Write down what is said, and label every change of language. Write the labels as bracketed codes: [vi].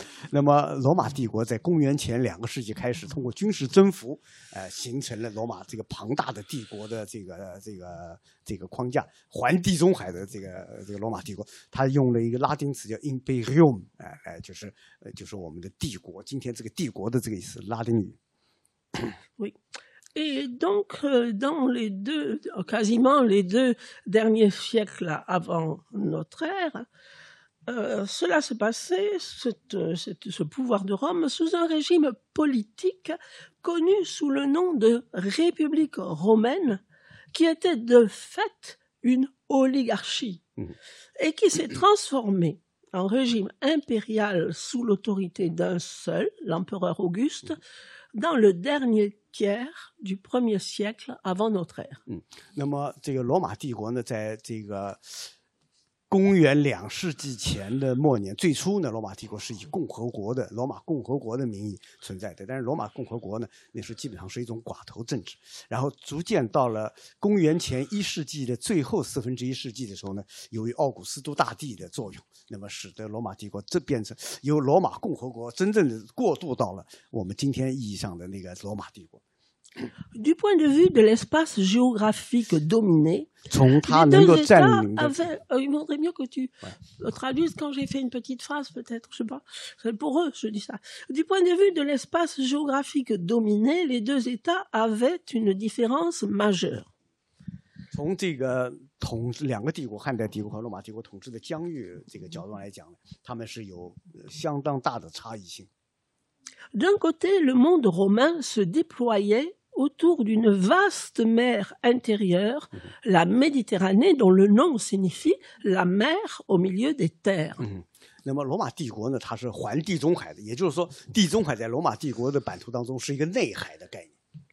[zh] 那么罗马帝国在公元前两个世纪开始通过军事征服，形成了罗马这个庞大的帝国的这个框架，环地中海的这个罗马帝国，他用了一个拉丁词叫 imperium, 就是我们的帝国，今天这个帝国的这个意思，拉丁语。 [fr] Oui. Et donc, dans les deux, quasiment les deux derniers siècles avant notre ère,cela se passait, ce pouvoir de Rome, sous un régime politique connu sous le nom de République romaine, qui était de fait une oligarchie, et qui s'est transformée en régime impérial sous l'autorité d'un seul, l'empereur Auguste, dans le dernier tiers du premier siècle avant notre ère. [zh] 那么这个罗马帝国呢，在这个公元两世纪前的末年，最初呢，罗马帝国是以共和国的罗马共和国的名义存在的，但是罗马共和国呢，那时候基本上是一种寡头政治。然后逐渐到了公元前一世纪的最后四分之一世纪的时候呢，由于奥古斯都大帝的作用，那么使得罗马帝国这变成由罗马共和国真正的过渡到了我们今天意义上的那个罗马帝国。 [fr] Du point de vue de l'espace géographique dominé, Les deux États avaient, il vaudrait mieux que tu traduises quand j'ai fait une petite phrase, peut-être, je sais pas, c'est pour eux, je dis ça. Du point de vue de l'espace géographique dominé, les deux États avaient une différence majeure. [zh] 从这个统两个帝国，汉代帝国和罗马帝国统治的疆域这个角度来讲，他们是有相当大的差异性。 [fr] D'un côté, le monde romain se déployait autour d'une vaste mer intérieure, la Méditerranée, dont le nom signifie la mer au milieu des terres. [zh] 那么罗马帝国呢，它是环地中海的，也就是说，地中海在罗马帝国的版图当中是一个内海的概念。